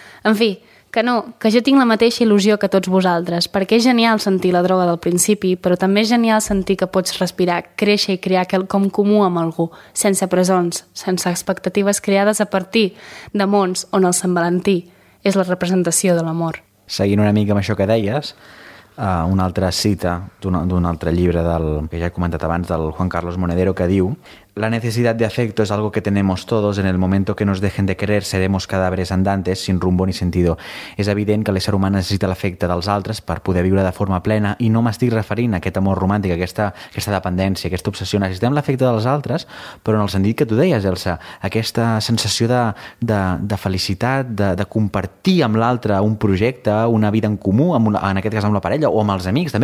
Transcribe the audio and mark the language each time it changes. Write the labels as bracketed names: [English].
[Catalan] En fi, que no, que jo tinc la mateixa il·lusió que tots vosaltres, perquè és genial sentir la droga del principi, però també és genial sentir que pots respirar, créixer i crear quelcom comú amb algú, sense presons, sense expectatives creades a partir de mons on el Sant Valentí és la representació de l'amor. Seguint una mica amb això que deies, una altra cita d'un altre llibre del que ja he comentat abans, del Juan Carlos Monedero, que diu: [Spanish] la necesidad de afecto es algo que tenemos todos. En el momento que nos dejen de querer, seremos cadáveres andantes sin rumbo ni sentido. [Catalan] És evident que l'ésser humà necessita l'afecte dels altres per poder viure de forma plena, i no m'estic referint a aquest amor romàntic, a aquesta dependència, a aquesta obsessió. Necessitem l'afecte dels altres, però en el sentit que tu deies, Elsa, aquesta sensació de felicitat, de compartir amb l'altre un projecte, una vida en comú, en aquest cas amb la parella o amb els amics.